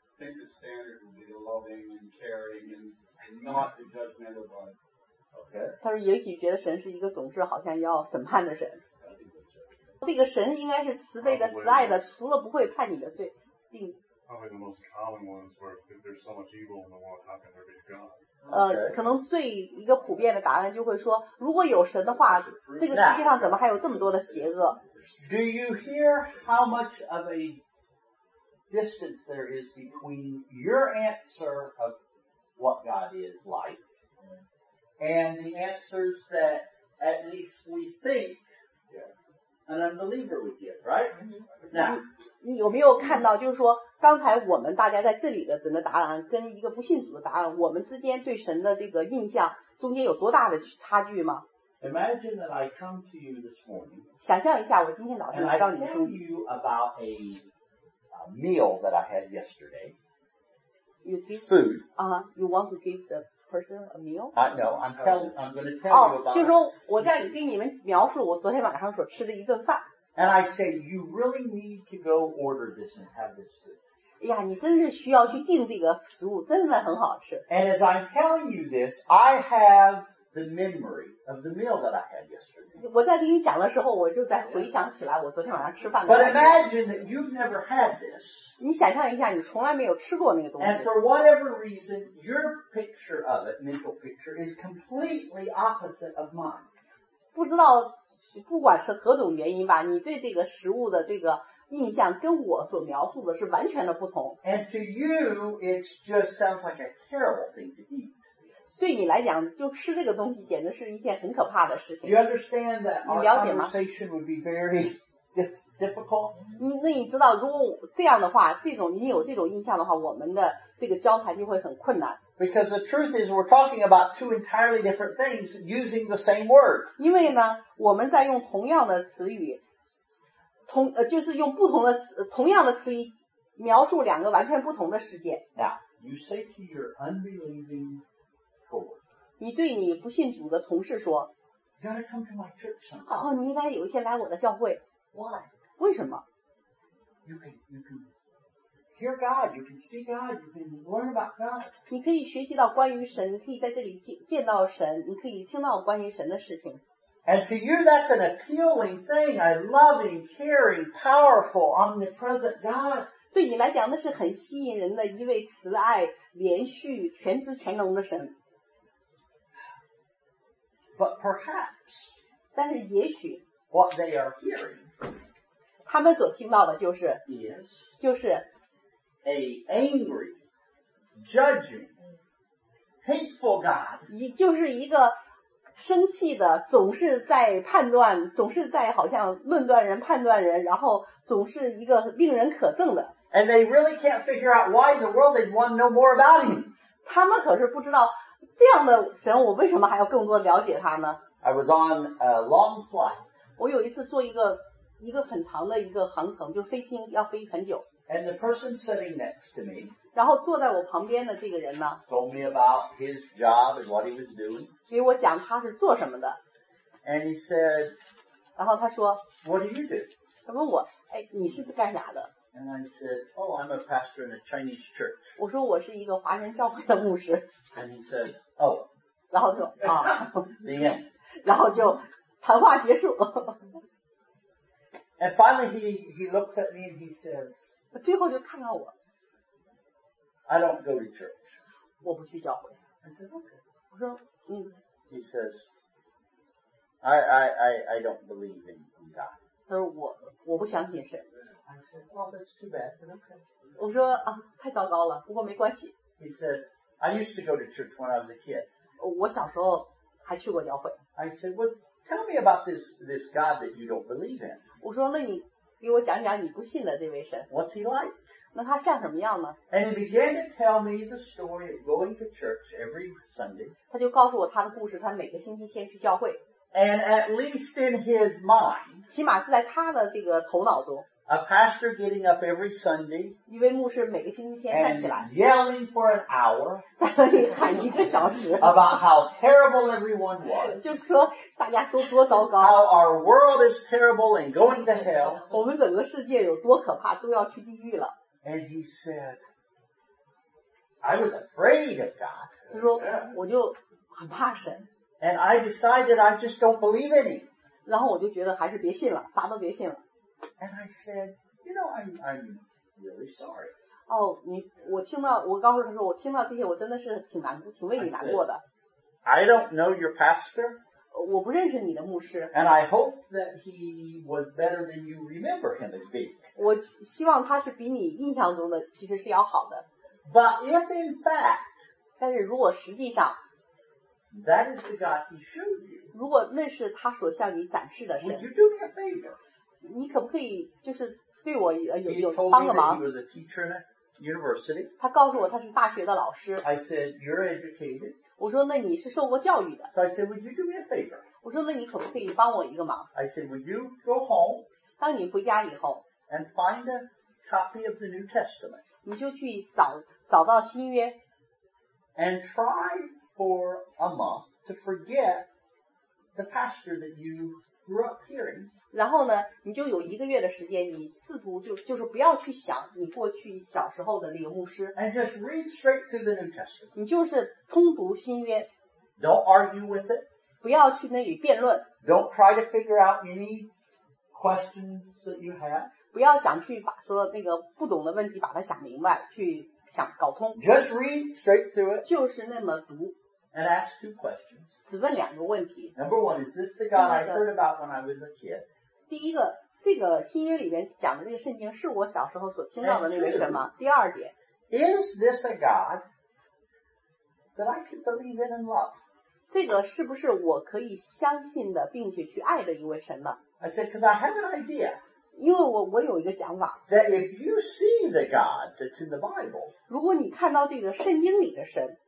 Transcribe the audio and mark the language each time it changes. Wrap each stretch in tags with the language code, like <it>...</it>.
<en>Think the standard would be loving and caring and not the judgmental one. Okay.</en> <zh>他说也许觉得神是一个总是好像要审判的神。这个神应该是慈悲的、慈爱的，除了不会判你的罪。</zh> <en>Probably the most common ones where if there's so much evil in the world, how can there be God？</en> <zh>可能最一个普遍的答案就会说，如果有神的话，这个世界上怎么还有这么多的邪恶？</zh> <en>Do you hear how much of a distance there is between your answer of what God is like and the answers that at least we think an unbeliever would give, right? Now,</en> <zh>你有没有看到，就是说刚才我们大家在这里的人的答案跟一个不信主的答案，我们之间对神的这个印象中间有多大的差距吗？</zh> <en>Imagine that I come to you this morning，</en> <zh>想象一下我今天早上来到你的身边。</zh> <en>And I tell you about a meal that I had yesterday. You give food. You want to give the person a meal? No, I'm going to tell you about.</en> <zh>就是说我在给你们描述我昨天晚上所吃的一顿饭。</zh> <en>And I say, you really need to go order this and have this food.</en> <zh>哎呀，你真是需要去订这个食物，真的很好吃。</zh> <en>And as I'm telling you this, I have the memory of the meal that I had yesterday.</en> <zh>我在给你讲的时候，我就在回想起来我昨天晚上吃饭的。</zh> <en>But imagine that you've never had this.</en> <zh>你想象一下，你从来没有吃过那个东西。</zh> <en>And for whatever reason, your picture of it, mental picture, is completely opposite of mine.</en> <zh>不知道，不管是何种原因吧，你对这个食物的这个印象跟我所描述的是完全的不同。</zh> <en>And to you, it just sounds like a terrible thing to eat.</en> <zh>对你来讲，就吃这个东西简直是一件很可怕的事情。</zh> <en>You understand that our conversation would be very difficult.</en> <zh>你知道，如果这样的话，这种你有这种印象的话，我们的这个交谈就会很困难。</zh> <en>Because the truth is, we're talking about two entirely different things using the same word.</en> <zh>因为呢，我们在用同样的词语。就是用不同的同样的词语描述两个完全不同的世界。</zh> <en>Now, you say to your unbelieving co-worker,</en> <zh>你对你不信主的同事说</zh> <en>You gotta come to my church sometime.</en> <zh>你应该有一天来我的教会。</zh> <en>Why?</en> <zh>为什么</zh> <en>you can hear God, you can see God, you can learn about God.</en> <zh>你可以学习到关于神，可以在这里见到神，你可以听到关于神的事情。</zh> <en>And to you, that's an appealing thing, a loving, caring, powerful, omnipresent God.</en> <zh>对你来讲，那是很吸引人的一位慈爱、连续、全知全能的神。</zh> <en>But perhaps,</en> <zh>但是也许</zh> <en>what they are hearing,</en> <zh>他们所听到的就是</zh> <en>is,</en> <zh>就是</zh> <en>a angry, judging, hateful God.</en> <zh>就是一个生气的，总是在判断，总是在好像论断人、判断人，然后总是一个令人可憎的。</zh> <en>And they really can't figure out why in the world they want to know more about him.</en> <zh>他们可是不知道这样的神，我为什么还要更多了解他呢</zh> <en>？I was on a long flight.</en> <zh>我有一次坐一个很长的一个航程，就飞行要飞很久。</zh> <en>And the person sitting next to me.</en> <zh>然后坐在我旁边的这个人呢</zh> <en>？Told me about his job and what he was doing.</en> <zh>给我讲他是做什么的</zh> <en>，and he said，</en> <zh>然后他说</zh> <en>，What do you do？</en> <zh>他问我，哎，你是干啥的</zh> <en>？And I said， Oh， I'm a pastor in a Chinese church。</en> <zh>我说我是一个华人教会的牧师。</zh> <en>And he said， Oh，</en> <zh>然后就啊，</zh> <en>The end。</en> <zh>然后就谈话结束。</zh> <en>And finally he looks at me and he says，</en> <zh>最后就看看我</zh> <en>，I don't go to church。</en> <zh>我不去教会。</zh> <en>I said okay。</en> <zh>我说。</zh> <en>He says, I don't believe in God.</en> <zh>他说我不相信神。</zh> <en>I said, well, that's too bad, but okay.</en> <zh>我说啊，太糟糕了，不过没关系。</zh> <en>He said, I used to go to church when I was a kid.</en> <zh>我小时候还去过教会。</zh> <en>I said, well, tell me about this God that you don't believe in.</en> <zh>我说那你给我讲讲你不信的这位神。</zh> <en>What's he like?</en> <zh>那他像什么样呢</zh> <en>？And he began to tell me the story of going to church every Sunday.</en> <zh>他就告诉我他的故事，他每个星期天去教会。</zh> <en>And at least in his mind,</en> <zh>起码是在他的这个头脑中</zh> <en>，a pastor getting up every Sunday,</en> <zh>一位牧师每个星期天站起来</zh> <en>，and yelling for an hour,</en> <zh>在那里喊一个小时</zh> <en>，about how terrible everyone was.</en> <zh>就说大家都多糟糕</zh> <en>，how our world is terrible and going to hell.</en> <zh>我们整个世界有多可怕，都要去地狱了。</zh> <en>And he said, I was afraid of God.</en> <zh>他说我就很怕神。</zh> <en>And I decided I just don't believe in him.</en> <zh>然后我就觉得还是别信了，啥都别信了。</zh> <en>And I said, you know, I'm really sorry.</en> <zh>哦，我听到，我告诉他说，我听到这些，我真的是挺难，挺为你难过的。</zh> <en>I don't know your pastor.</en> <zh>我不认识你的牧师。</zh> <en>And I hope that he was better than you remember him as being.</en> <zh>我希望他是比你印象中的其实是要好的。</zh> <en>But if in fact,</en> <zh>但是如果实际上</zh> <en>，That is the God he showed you.</en> <zh>如果那是他所向你展示的神</zh> <en>，Would you do me a favor?</en> <zh>你可不可以就是对我有帮个忙</zh> <en>？He told me that he was a teacher in a university.</en> <zh>他告诉我他是大学的老师。</zh> <en>I said you're educated.</en> <zh>我说那你是受过教育的。</zh> <en>So I said would you do me a favor?</en> <zh>我说那你可不可以帮我一个忙</zh> <en>？I said would you go home?</en> <zh>当你回家以后。</zh> <en>And find a copy of the New Testament.</en> <zh>你就去找到新约。</zh> <en>And try for a month to forget the pastor that you grew up hearing.</en> <zh>然后呢，你就有一个月的时间，你试图就是不要去想你过去小时候的那个牧师。</zh> <en>And just read straight through the New Testament.</en> <zh>你就是通读新约。</zh> <en>Don't argue with it.</en> <zh>不要去那里辩论。</zh> <en>Don't try to figure out any questions that you have.</en> <zh>不要想去把说那个不懂的问题把它想明白，去想搞通。</zh> <en>Just read straight through it.</en> <zh>就是那么读。</zh> <en>And ask two questions.</en> <zh>只问两个问题。</zh> <en>Number one, is this the guy I heard about when I was a kid?</en> <zh>第一个，这个新约里面讲的那个圣经是我小时候所听到的那个什么？第二点</zh> <en>，Is this a God that I could believe in and love?</en> <zh>这个是不是我可以相信的，并且去爱的一位神呢</zh> <en>？I said, because I have an idea.</en> <zh>因为我有一个想法。</zh> <en>That if you see the God that's in the Bible,</en> <zh>如果你看到这个圣经里的神</zh>